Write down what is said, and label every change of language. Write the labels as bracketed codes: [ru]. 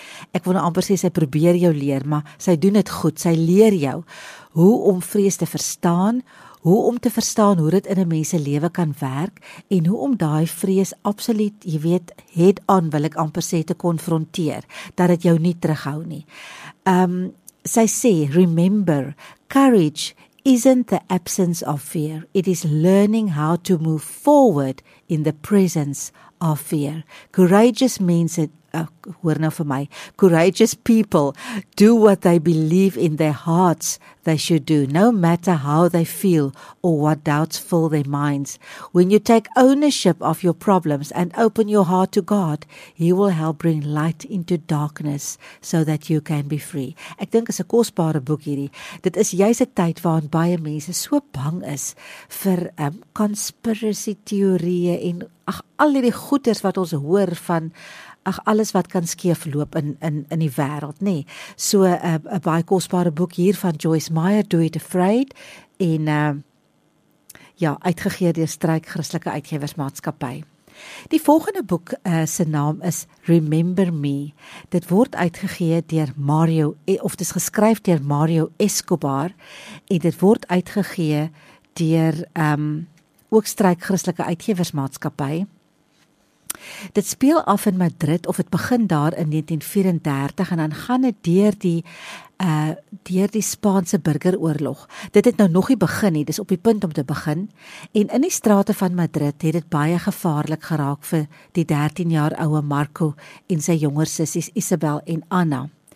[af] Ek wil nou amper sê sy probeer jou leer, maar sy doen dit goed. Sy leer jou hoe om vrees te verstaan, hoe om te verstaan hoe dit in 'n mens se lewe kan werk en hoe om daai vrees absoluut, jy weet, het aan wil ek amper sê te konfronteer, dat dit jou nie terughou nie. Sy sê, [en] remember, courage isn't the absence of fear. It is learning how to move forward in the presence of fear. Courageous means it, [af] hoor nou vir my, [en] courageous people do what they believe in their hearts they should do, no matter how they feel or what doubts fill their minds. When you take ownership of your problems and open your heart to God, He will help bring light into darkness so that you can be free. [af] Ek dink is 'n kosbare boek hierdie. Dit is juist 'n tyd waarin baie mense so bang is vir conspiracy teorieë en al hierdie goeders wat ons hoor van alles wat kan skeefloop in die wêreld, nê. So 'n baie kosbare boek hier van Joyce Meyer, Do It Afraid, en uitgegee deur Stryk Christelike Uitgewersmaatskappy. Die volgende boek se naam is Remember Me. Dit word uitgegee deur Mario of dit is geskryf deur Mario Escobar en dit word uitgegee deur ook Stryk Christelike Uitgewersmaatskappy. Dit speel af in Madrid of het begin daar in 1934 en dan gaan het deur die Spaanse burgeroorlog. Dit het nou nog nie begin nie, dis op die punt om te begin. En in die strate van Madrid het dit baie gevaarlik geraak vir die 13 jaar ouwe Marco en sy jonger sissies Isabel en Anna.